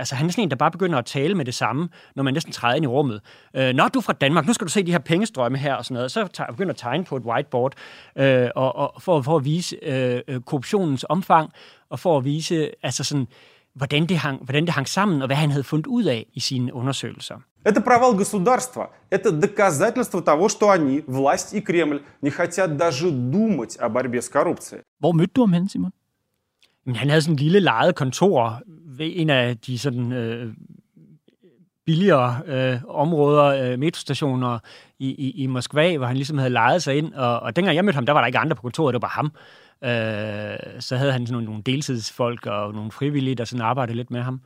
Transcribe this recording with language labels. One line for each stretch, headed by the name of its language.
Danish: Altså, han er sådan en, der bare begynder at tale med det samme, når man næsten træder ind i rummet. Nå, du er fra Danmark, nu skal du se de her pengestrømme her og sådan noget. Så begynder jeg at tegne på et whiteboard for at vise korruptionens omfang og for at vise, altså sådan, hvordan det hang sammen og hvad han havde fundet ud af i sine undersøgelser.
Russian: Это провал государства. Это доказательство того, что они, власть и Кремль, не хотят даже думать о борьбе с коррупцией.
Danish: Hvor mødte du ham hen, Simon? Men han havde sådan et lille lejet kontor ved en af de sådan billigere områder, metrostationer i Moskva, hvor han ligesom havde lejet sig ind. Og dengang jeg mødte ham, der var der ikke andre på kontoret, det var bare ham. Så havde han sådan nogle deltidsfolk og nogle frivillige, der sådan arbejdede lidt med ham.